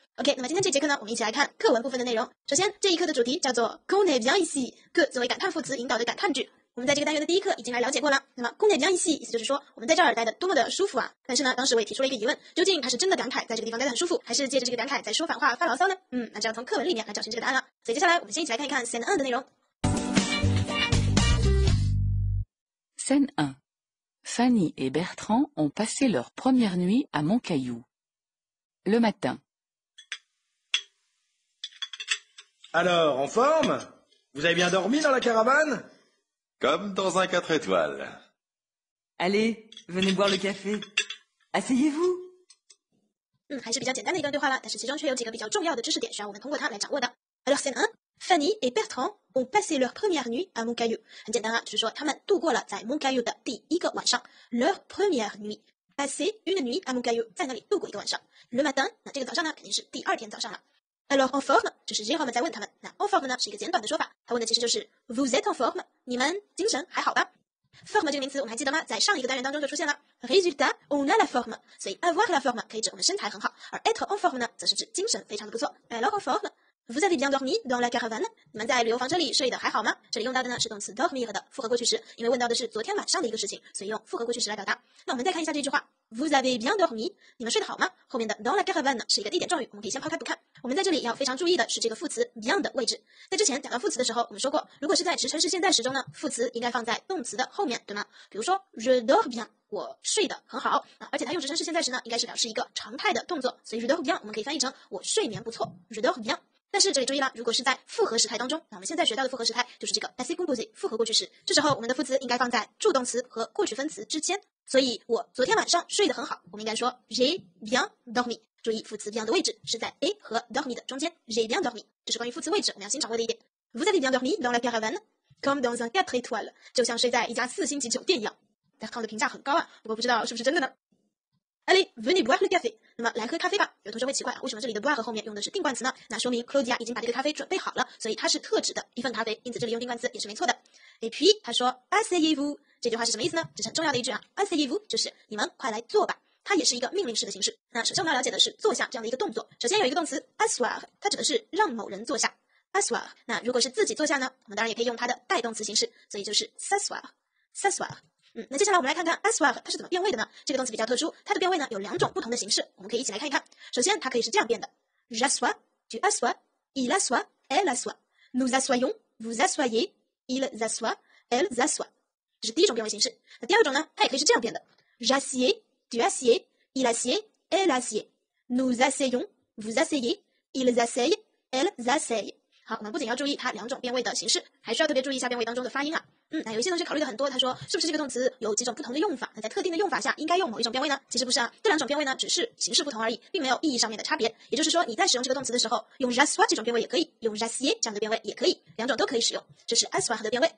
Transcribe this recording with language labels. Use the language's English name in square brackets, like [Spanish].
[Chinese] OK， 那么今天这节课呢，我们一起来看课文部分的内容。首先，这一课的主题叫做 "Kone biansi"， 课作为感叹副词引导的感叹句。我们在这个单元的第一课已经来了解过了。那么 "Kone biansi" 意思就是说，我们在这儿待得多么的舒服啊！但是呢，当时我也提出了一个疑问，究竟他是真的感慨在这个地方待得很舒服，还是借着这个感慨在说反话发牢骚呢？那就要从课文里面来找寻这个答案了。所以接下来，我们先一起来看一看 "Sen en" 的内容。 [French] Sen en， Fanny et Bertrand ont passé leur première nuit à Montcaillou. Le matin. Alors, en forme? Vous avez bien dormi dans la caravane? Comme dans un 4 étoiles. Allez, venez boire le café. Asseyez-vous. [Chinese] 还是比较简单的一段对话了，但是其中却有几个比较重要的知识点需要我们通过它来掌握的。 [French] Alors, c'est un. Fanny et Bertrand ont passé leur première nuit à Montcaillou. [Chinese] 很简单啊，就是说他们度过了在 Montcaillou 的第一个晚上。 [French] Leur première nuit. Passer une nuit à Montcaillou. [Chinese] 在那里度过一个晚上。 [French] Le matin. [Chinese] 那这个早上呢，肯定是第二天早上了。 [French] Alors, en forme, [Chinese] 就是 Jérôme 在问他们。那 en forme 呢是一个简短的说法，他问的其实就是 [French] Vous êtes en forme? [Chinese] 你们精神还好吧？Forme 这个名词我们还记得吗？在上一个单元当中就出现了。 [French] Résultat, on a la forme. [Chinese] 所以 avoir la forme 可以指我们身材很好，而 être en forme 呢则是指精神非常的不错。 [French] Alors, en forme, vous avez bien dormi dans la caravane? [Chinese] 你们在旅游房车里睡得还好吗？这里用到的呢是动词 dormir 的复合过去时，因为问到的是昨天晚上的一个事情，所以用复合过去时来表达。那我们再看一下这句话。 [French] Vous avez bien dormi? [Chinese] 你们睡得好吗？后面的 dans la caravane 是一个地点状语，我们可以先抛开不看。我们在这里要非常注意的是这个副词 bien 的位置。在之前讲到副词的时候，我们说过，如果是在直陈式现在时中呢，副词应该放在动词的后面，对吗？比如说 [French] je dors bien， [Chinese] 我睡得很好。而且它用直陈式现在时呢，应该是表示一个常态的动作，所以 je dors bien 我们可以翻译成我睡眠不错 ，je dors bien。但是这里注意了，如果是在复合时态当中，那我们现在学到的复合时态就是这个 passé composé 复合过去时，这时候我们的副词应该放在助动词和过去分词之间。所以我昨天晚上睡得很好，我们应该说 [French] j'ai bien dormi。 [Chinese] 注意副词 bien 的位置是在 a 和 dormi 的中间 ， [French] j'ai bien dormi。 [Chinese] 这是关于副词位置我们要新掌握的一点。 [French] Vous avez bien dormi dans la caravane, comme dans un 4 étoiles， [Chinese] 就像睡在一家四星级酒店一样。 Bertrand 的评价很高啊，不过不知道是不是真的呢？ [French] Allez, venez boire le café. [Chinese] 那么来喝咖啡吧。有同学会奇怪，为什么这里的 boire 后面用的是定冠词呢？那说明 Claudia 已经把这个咖啡准备好了，所以它是特指的一份咖啡，因此这里用定冠词也是没错的。 [French] Et puis, [Chinese] 他说 [French] Asseyez-vous. [Chinese] 这句话是什么意思呢？这是很重要的一句啊。 Asseyez-vous 就是你们快来坐吧。它也是一个命令式的形式。那首先我们要了解的是坐下这样的一个动作。首先有一个动词 asseoir， 它指的是让某人坐下。 Asseoir。 那如果是自己坐下呢？我们当然也可以用它的代动词形式，所以就是 s'asseoir。 s'asseoir。那接下来我们来看看 asseoir 它是怎么变位的呢？这个动词比较特殊，它的变位呢有两种不同的形式，我们可以一起来看一看。首先它可以是这样变的 [French] j'assois, tu assois, il assois, elle assois, nous assoyons, vous assoyez, ils assoient, elles assoient， [Chinese] 这是第一种变位形式。那第二种呢，它也可以是这样变的 [French] j'assieds, tu assieds, il assieds, elle assieds, nous asseyons, vous asseyez, ils asseyent, elles asseyent。 [Chinese] 好，我们不仅要注意它两种变位的形式，还需要特别注意一下变位当中的发音啊。那有一些同学考虑的很多，他说是不是这个动词有几种不同的用法？那在特定的用法下应该用某一种变位呢？其实不是啊，这两种变位呢只是形式不同而已，并没有意义上面的差别。也就是说，你在使用这个动词的时候，用 j'assois 这种变位也可以，用 j'assieds 这样的变位也可以，两种都可以使用。这是 asseoir 的变位。